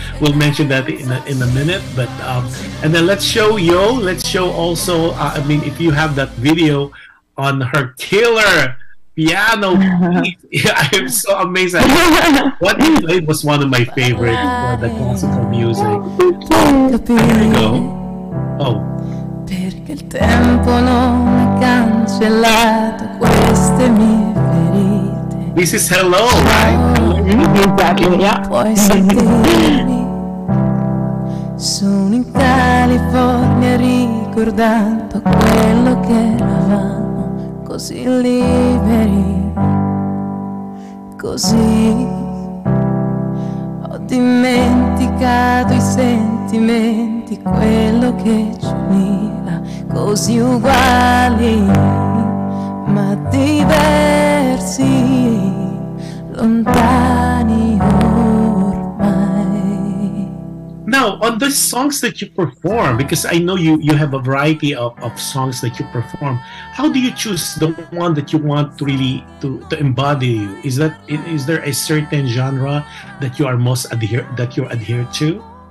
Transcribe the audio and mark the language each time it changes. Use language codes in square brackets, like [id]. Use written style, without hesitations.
[en] We'll mention that in a minute. But and then let's show also. If you have that video on her killer piano, I'm so amazed. What you played was one of my favorite for the classical music. There we go. Oh. [it] Il tempo non ha cancellato queste mie ferite. [en] This is hello, right? Exactly, yeah. [it] Puoi sentirmi. Sono in California ricordando quello che eravamo. Così liberi, così. Ho dimenticato i sentimenti, quello che ci univa, così uguali, ma diversi, lontani ormai. [en] Now, on the songs that you perform, because I know you have a variety of songs that you perform, how do you choose the one that you want to really to embody you? Is there a certain genre that you are most adhere to?